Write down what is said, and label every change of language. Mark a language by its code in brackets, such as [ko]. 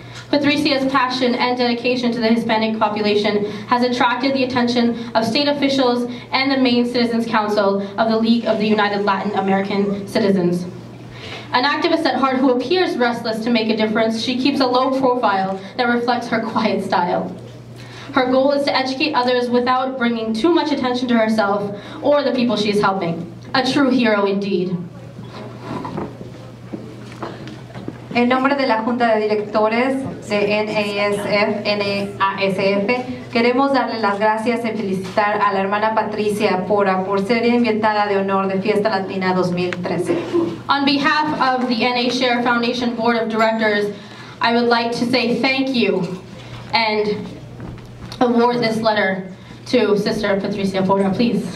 [en] Patricia's passion and dedication to the Hispanic population has attracted the attention of state officials and the Maine Citizens Council of the League of the United Latin American Citizens. An activist at heart who appears restless to make a difference, she keeps a low profile that reflects her quiet style. Her goal is to educate others without bringing too much attention to herself or the people she is helping. A true hero indeed. [es] En nombre de la Junta de Directores de NASF, queremos darle las gracias y felicitar a la hermana Patricia Pora por ser invitada de honor de Fiesta Latina 2013. [en] On behalf of the NASF Foundation Board of Directors, I would like to say thank you and award this letter to Sister Patricia Pora, please.